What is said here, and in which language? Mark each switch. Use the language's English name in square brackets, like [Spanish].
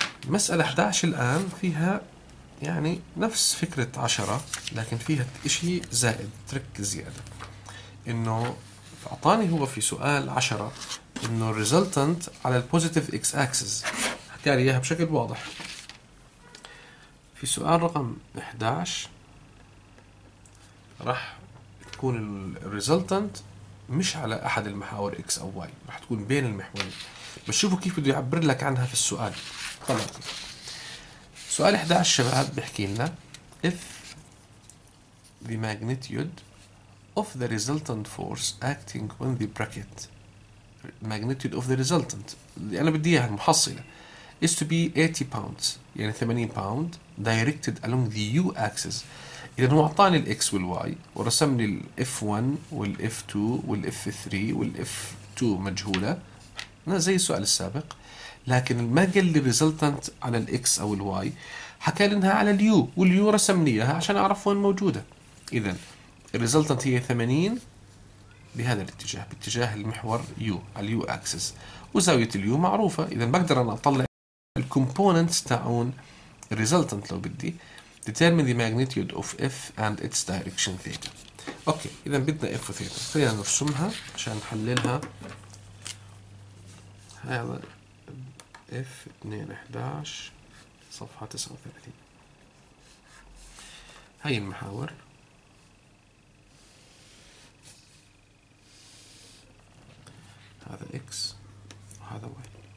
[Arabic] مسألة 11 الآن فيها يعني نفس فكرة 10 لكن فيها إشي زائد، ترك زيادة، إنه أعطاني هو في سؤال 10 إنه الريزلتنت على البوزيتيف إكس أكسس، حكى لي إياها بشكل واضح. في سؤال رقم 11 راح تكون الريزلتنت مش على أحد المحاور X أو Y، راح تكون بين المحورين، بس شوفوا كيف بده يعبر لك عنها في السؤال. طبعا سؤال 11 شباب بيحكي لنا [English] if the magnitude of the resultant force acting on the bracket magnitude of the resultant [Arabic] اللي أنا بدي إياها المحصلة [English] is to be 80 pounds يعني 80 pound directed along the U axis. [Arabic] إذا هو أعطاني الـ X والـ Y ورسم لي الـ F1 والـ F2 والـ F3 والـ F2 مجهولة أنا زي السؤال السابق، لكن ما قال لي resultant على الـ x أو الـ y، حكى لي إنها على الـ u، والـ u رسم لي إياها عشان أعرف وين موجودة. إذن الـ resultant هي 80 بهذا الاتجاه، باتجاه المحور u على الـ u axis، وزاوية الـ u معروفة. إذن بقدر أنا أطلع الـ components تاعون الـ resultant لو بدي. [English] Determine the magnitude of f and its direction theta. [Arabic] أوكي، إذن بدنا f و theta، خلينا نرسمها عشان نحللها. هذا F 2.11 صفحة 39، هاي المحاور، هذا X وهذا Y.